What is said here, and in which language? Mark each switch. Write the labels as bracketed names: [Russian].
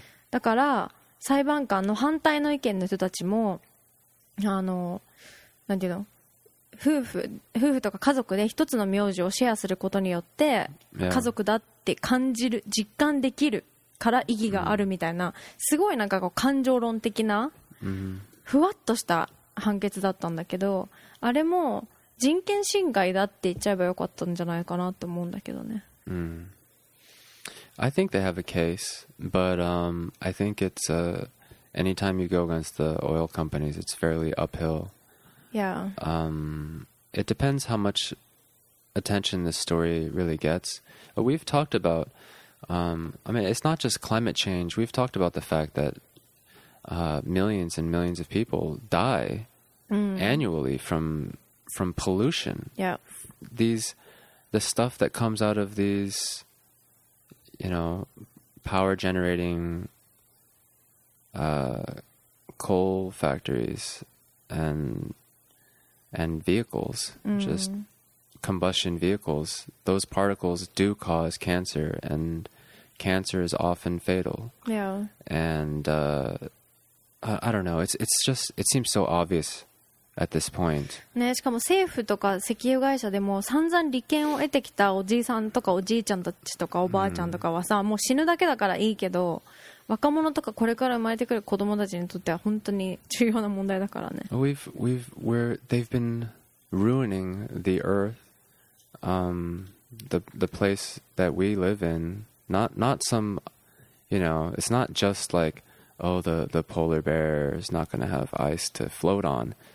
[Japanese] だから裁判官の反対の意見の人たちもあのなんていうの、夫婦とか家族で一つの名字をシェアすることによって家族だって感じる、実感できるから意義があるみたいな、うん、すごいなんかこう感情論的なふわっとした判決だったんだけど、あれも人権侵害だって言っちゃえばよかったんじゃないかなって思うんだけどね。 Mm. [English] I think they have a case, but I think it's anytime you go against the oil companies, it's fairly uphill. Yeah. It depends how much attention this story really gets. But we've talked about, I mean, it's not just climate change. We've talked about the fact that millions and millions of people die annually from pollution. Yeah. The stuff that comes out of these, you know, power generating coal factories and vehicles, just combustion vehicles, those particles do cause cancer, and cancer is often fatal. Yeah. And I don't know. It seems so obvious at this point. [Japanese] ね、しかも政府とか石油会社でも散々利権を得てきたおじいさんとかおじいちゃんたちとかおばあちゃんとかはさ、もう死ぬだけだからいいけど、若者とかこれから生まれてくる子供たちにとっては本当に重要な問題だからね。 [English] They've been ruining the earth, the place that we live in. Not some, you know, it's not just like, oh, the polar bear is not going to have ice to float on.